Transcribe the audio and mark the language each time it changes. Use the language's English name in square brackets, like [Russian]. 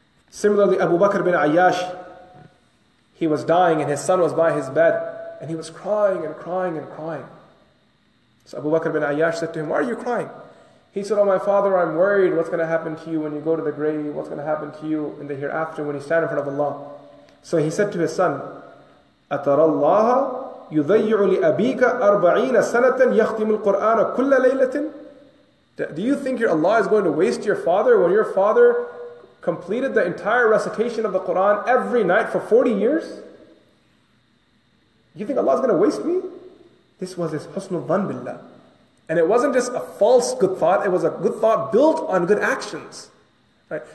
[English] Similarly, Abu Bakr bin Ayyash, he was dying and his son was by his bed and he was crying and crying and crying. So Abu Bakr bin Ayyash said to him, why are you crying? He said, oh my father, I'm worried what's going to happen to you when you go to the grave, what's going to happen to you in the hereafter when you stand in front of Allah. [Arabic] So he said to his son, أَتَرَى اللَّهَ يُذَيِّعُ لِأَبِيكَ أَرْبَعِينَ سَنَةً يَخْتِمُ الْقُرْآنَ كُلَّ لَيْلَةٍ. [English] Do you think your Allah is going to waste your father when your father completed the entire recitation of the Quran every night for 40 years? You think Allah is going to waste me? This was his husnul dhan billah. And it wasn't just a false good thought, it was a good thought built on good actions. Right?